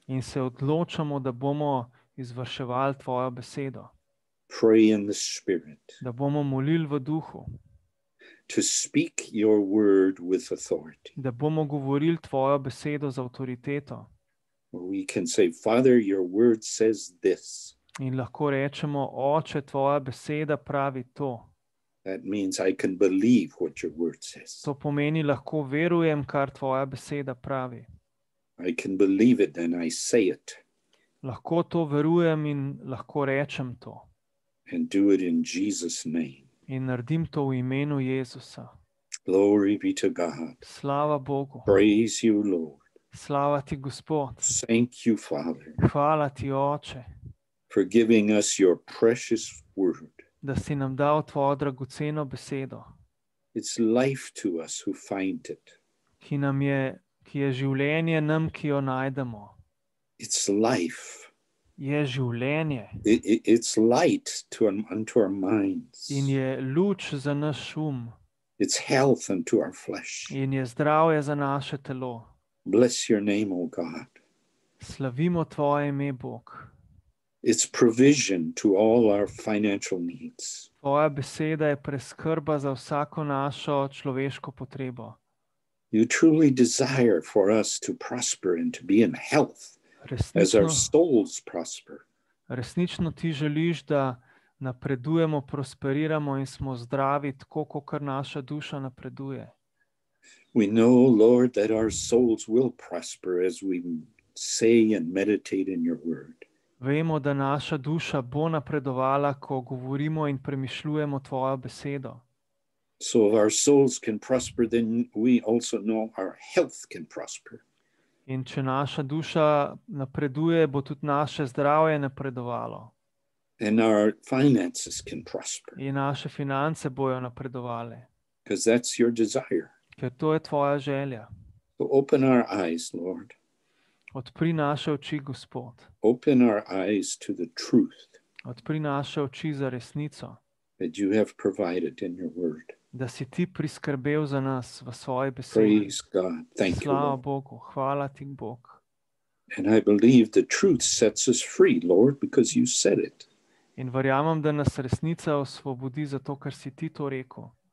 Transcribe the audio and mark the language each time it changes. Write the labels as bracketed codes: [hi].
[sl] In se odločamo, da bomo izvrševali tvojo besedo. [en] Pray in the spirit. [sl] Da bomo molili v duhu. [en] To speak your word with authority. [sl] Da bomo govorili tvojo besedo z avtoriteto. [en] We can say, Father, your word says this. [sl] In lahko rečemo, Oče, tvoja beseda pravi to. [en] That means I can believe what your word says. [sl] To pomeni, lahko verujem, kar tvoja beseda pravi. [en] I can believe it and I say it. [sl] Lahko to verujem in lahko rečem to. [en] And do it in Jesus' name. [sl] In naredim to v imenu Jezusa. [en] Glory be to God. [sl] Slava Bogu. [en] Praise you, Lord. [sl] Slava ti, Gospod. [en] Thank you, Father. [sl] Hvala ti, Oče. [en] For giving us your precious word. [sl] Da si nam dal tvojo dragoceno besedo. [en] It's life to us who find it. [sl] Ki je življenje nam, ki jo najdemo. [en] It's life. [sl] Je življenje. [en] It's light unto our minds. [sl] In je luč za naš um. [en] It's health unto our flesh. [sl] In je zdravje za naše telo. [en] Bless your name, O God. [sl] Slavimo tvoje ime, Bog. [en] It's provision to all our financial needs. [sl] Tvoja beseda je preskrba za vsako našo človeško potrebo. [en] You truly desire for us to prosper and to be in health as our souls prosper. [sl] Resnično ti želiš, da napredujemo, prosperiramo in smo zdravi, tako kakor naša duša napreduje. [en] We know, Lord, that our souls will prosper as we say and meditate in your word. [sl] Vemo, da naša duša bo napredovala, ko govorimo in premišljujemo tvojo besedo. [en] So if our souls can prosper, then we also know our health can prosper. [sl] In če naša duša napreduje, bo tudi naše zdravje napredovalo. [en] And our finances can prosper. [sl] In naše finance bojo napredovale. [en] Because that's your desire. [sl] Ker to je tvoja želja. [en] So open our eyes, Lord. [sl] Odpri naše oči, Gospod. [en] Open our eyes to the truth. [sl] Odpri naše oči za resnico. [en] That you have provided in your word. [sl] da si ti priskrbel za nas v svoje besede. [en] Praise God. Thank you, [sl] Lord. Slava Bogu. Hvala ti, Bog. [en] And I believe the truth sets us free, Lord, because you said it. [sl] In verjamem, da nas resnica osvobodi zato, ker si ti to rekel.